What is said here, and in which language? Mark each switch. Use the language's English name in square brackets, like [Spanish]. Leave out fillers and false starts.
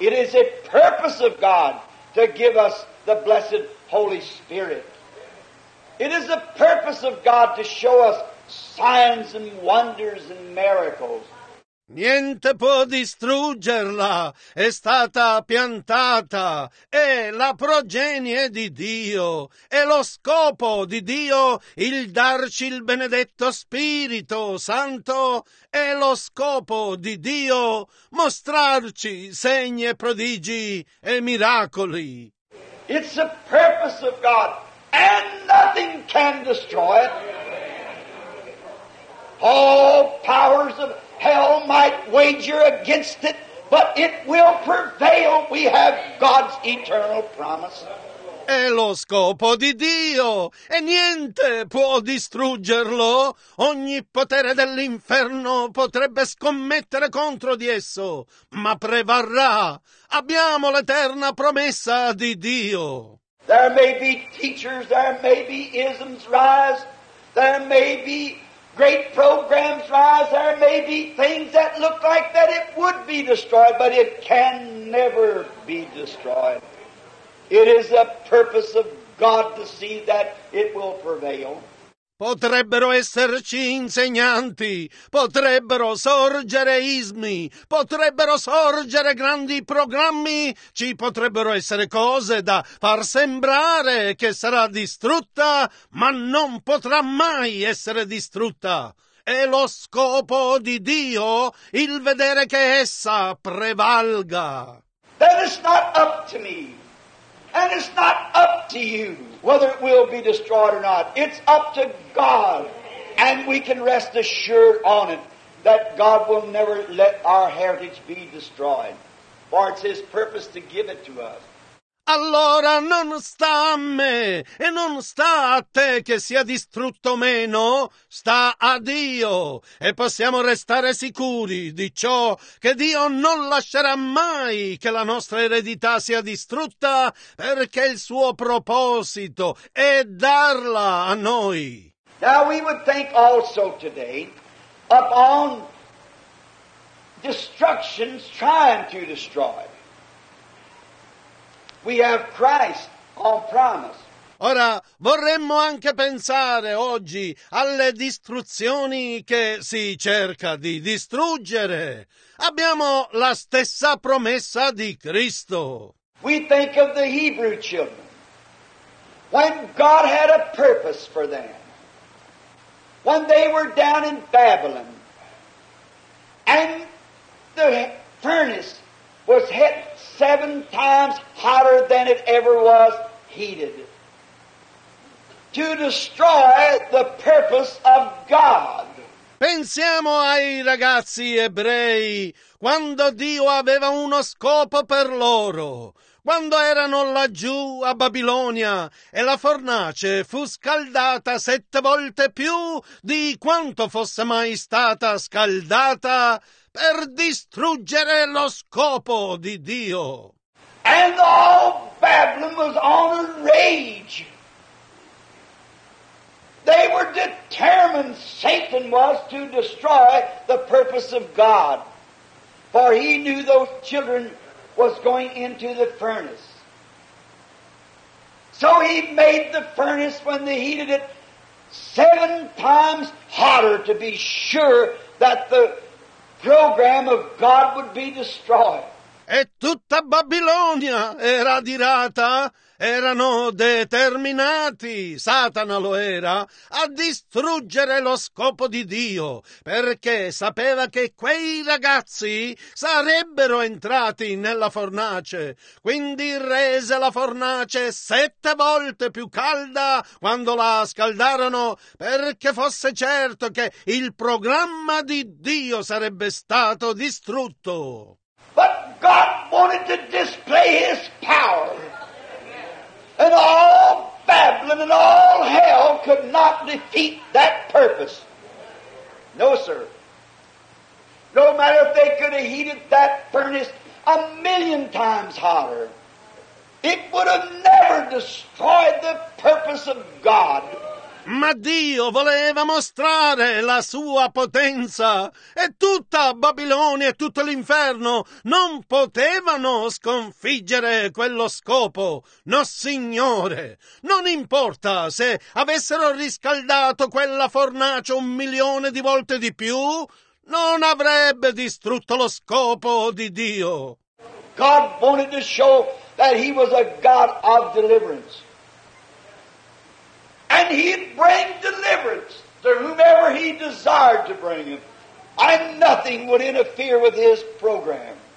[English] It is a purpose of God to give us the blessed Holy Spirit. It is the purpose of God to show us signs and wonders and miracles. [Italian] Niente può distruggerla, è stata piantata, è la progenie di Dio, è lo scopo di Dio il darci il benedetto Spirito Santo, è lo scopo di Dio mostrarci segni e prodigi e miracoli. [English] It's the purpose of God, and nothing can destroy it. All powers of hell might wager against it, but it will prevail. We have God's eternal promise. [Italian] È lo scopo di Dio, e niente può distruggerlo. Ogni potere dell'inferno potrebbe scommettere contro di esso, ma prevarrà. Abbiamo l'eterna promessa di Dio. [English] There may be teachers, there may be isms rise, there may be great programs rise, there may be things that look like that it would be destroyed, but it can never be destroyed. It is the purpose of God to see that it will prevail. [Italian] Potrebbero esserci insegnanti, potrebbero sorgere ismi, potrebbero sorgere grandi programmi, ci potrebbero essere cose da far sembrare che sarà distrutta, ma non potrà mai essere distrutta. È lo scopo di Dio il vedere che essa prevalga. [English] That is not up to me. And it's not up to you whether it will be destroyed or not. It's up to God. And we can rest assured on it that God will never let our heritage be destroyed. For it's His purpose to give it to us. [Italian] Allora non sta a me e non sta a te che sia distrutto o meno, sta a Dio e possiamo restare sicuri di ciò che Dio non lascerà mai che la nostra eredità sia distrutta perché il suo proposito è darla a noi. [English] Now we would think also today upon destructions trying to destroy. We have Christ on promise. [Italian] Ora vorremmo anche pensare oggi alle distruzioni che si cerca di distruggere. Abbiamo la stessa promessa di Cristo. [English] We think of the Hebrew children. When God had a purpose for them. When they were down in Babylon. And the furnace was hit 7 times hotter than it ever was heated. To destroy the purpose of God. [Italian] Pensiamo ai ragazzi ebrei, quando Dio aveva uno scopo per loro. Quando erano laggiù a Babilonia e la fornace fu scaldata 7 volte più di quanto fosse mai stata scaldata per distruggere lo scopo di Dio. [English] And all Babylon was on a rage. They were determined, Satan was, to destroy the purpose of God. For he knew those children was going into the furnace. So he made the furnace, when they heated it, 7 times hotter to be sure that the program of God would be destroyed. [Italian] e tutta Babilonia era adirata, erano determinati, Satana lo era, a distruggere lo scopo di Dio, perché sapeva che quei ragazzi sarebbero entrati nella fornace, quindi rese la fornace 7 volte più calda quando la scaldarono, perché fosse certo che il programma di Dio sarebbe stato distrutto. [English] But God wanted to display his power. And all Babylon and all hell could not defeat that purpose. No, sir. No matter if they could have heated that furnace 1,000,000 times hotter, it would have never destroyed the purpose of God. [Italian] Ma Dio voleva mostrare la sua potenza e tutta Babilonia e tutto l'inferno non potevano sconfiggere quello scopo. No, Signore, non importa se avessero riscaldato quella fornace 1,000,000 di volte di più, non avrebbe distrutto lo scopo di Dio. [English] God wanted to show that he was a God of deliverance. And he'd bring deliverance to whomever he desired to bring him. And nothing would interfere with his program.